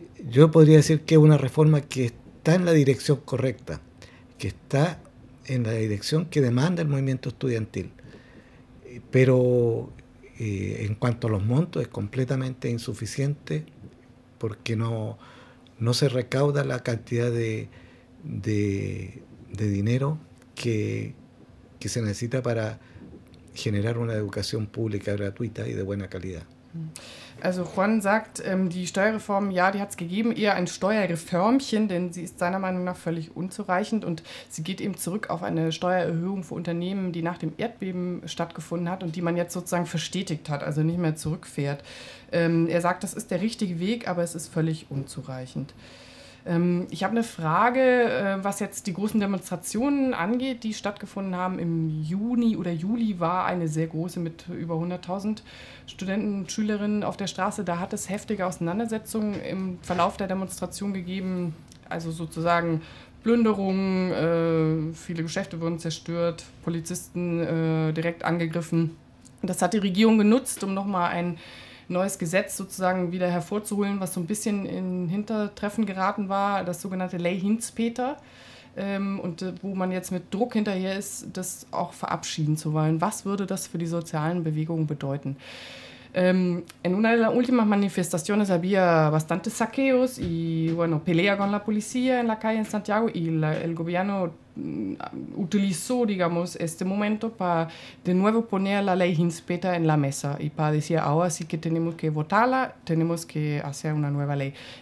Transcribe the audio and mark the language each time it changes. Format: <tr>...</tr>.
<es>Yo podría decir que es una reforma que está en la dirección correcta, que está en la dirección que demanda el movimiento estudiantil, pero en cuanto a los montos es completamente insuficiente porque no se recauda la cantidad de dinero que se necesita para generar una educación pública gratuita y de buena calidad.</es> <de>Also Juan sagt, die Steuerreform, ja, die hat es gegeben, eher ein Steuerreformchen, denn sie ist seiner Meinung nach völlig unzureichend und sie geht eben zurück auf eine Steuererhöhung für Unternehmen, die nach dem Erdbeben stattgefunden hat und die man jetzt sozusagen verstetigt hat, also nicht mehr zurückfährt. Er sagt, das ist der richtige Weg, aber es ist völlig unzureichend. Ich habe eine Frage, was jetzt die großen Demonstrationen angeht, die stattgefunden haben. Im Juni oder Juli war eine sehr große mit über 100.000 Studenten und Schülerinnen auf der Straße. Da hat es heftige Auseinandersetzungen im Verlauf der Demonstration gegeben, also sozusagen Plünderungen, viele Geschäfte wurden zerstört, Polizisten direkt angegriffen. Das hat die Regierung genutzt, um nochmal ein neues Gesetz sozusagen wieder hervorzuholen, was so ein bisschen in Hintertreffen geraten war, das sogenannte Ley Hinzpeter, und wo man jetzt mit Druck hinterher ist, das auch verabschieden zu wollen. Was würde das für die sozialen Bewegungen bedeuten?</de> <es>En una de las últimas manifestaciones había bastantes saqueos y, bueno, pelea con la policía en la calle en Santiago y el gobierno utilizó, digamos, este momento para de nuevo poner la ley Hinzpeter en la mesa y para decir, ahora sí que tenemos que votarla, tenemos que hacer una nueva ley.</es>